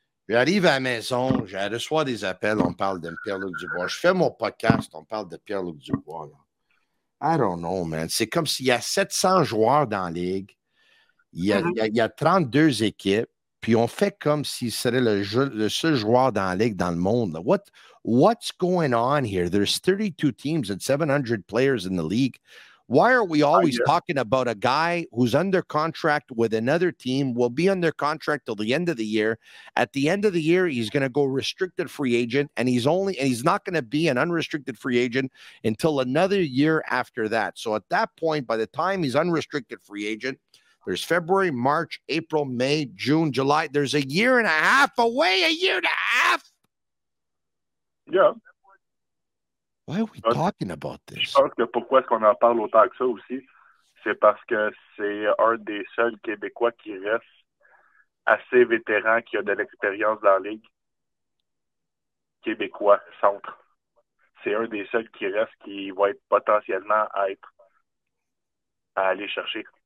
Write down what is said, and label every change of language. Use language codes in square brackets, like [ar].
[fr] J'arrive à la maison, je reçois des appels, on parle de Pierre-Luc Dubois. Je fais mon podcast, on parle de Pierre-Luc Dubois. Là. [en] I don't know, man. [fr] C'est comme s'il y a 700 joueurs dans la ligue, il y a 32 équipes, puis on fait comme s'il serait le seul joueur dans la ligue dans le monde. [en] What's going on here? There's 32 teams and 700 players in the league. Why are we always talking about a guy who's under contract with another team, will be under contract till the end of the year? At the end of the year, he's going to go restricted free agent, and he's not going to be an unrestricted free agent until another year after that. So at that point, by the time he's unrestricted free agent, there's February, March, April, May, June, July. There's a year and a half away, a year and a half. Yeah. Why are we talking about this? [fr] Je pense que pourquoi est-ce qu'on en parle autant que ça aussi, c'est parce que c'est un des seuls Québécois qui reste assez vétéran, qui a de l'expérience dans la ligue. Québécois, centre. C'est un des seuls qui reste qui va être potentiellement à aller chercher.